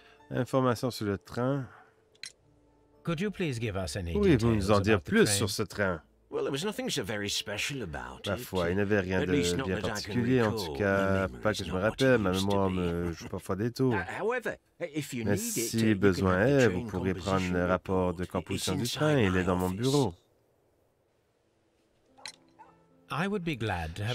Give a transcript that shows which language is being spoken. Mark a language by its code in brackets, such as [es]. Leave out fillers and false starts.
[fr] Information sur le train. [en] Could you please give us any details? [fr] Pouvez-vous nous en dire plus sur ce train? [en] Well, there was nothing so very special about it. [fr] Parfois, il n'avait rien de bien particulier, en tout cas, pas que je me rappelle, ma mémoire me joue parfois des tours. [en] However, if you need it, [fr] si besoin est, vous pourrez prendre le rapport de composition du train, il est dans mon bureau. [en] I would be glad to have